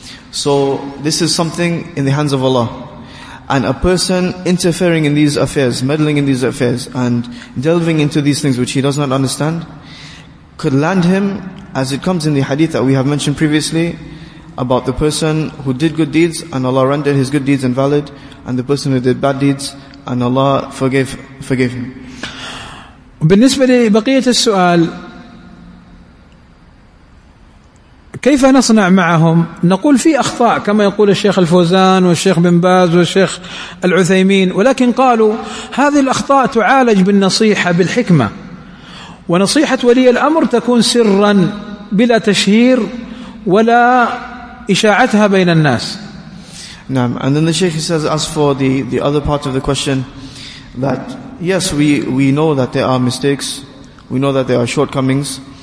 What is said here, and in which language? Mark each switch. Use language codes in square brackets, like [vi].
[en] So this is something in the hands of Allah, and a person interfering in these affairs, meddling in these affairs, and delving into these things which he does not understand, could land him, as it comes in the hadith that we have mentioned previously, about the person who did good deeds and Allah rendered his good deeds invalid, and the person who did bad deeds and Allah forgave him. [ar] بالنسبة لبقية السؤال كيف نصنع معهم؟ نقول في أخطاء كما يقول الشيخ الفوزان والشيخ بن باز والشيخ العثيمين، ولكن قالوا هذه الأخطاء تعالج بالنصيحة بالحكمة، ونصيحة ولي الأمر تكون سرا بلا تشهير ولا إشاعتها بين الناس. نعم. [en] And then the sheikh says, as for the other part of the question, that yes, we know that there are mistakes, we know that there are shortcomings.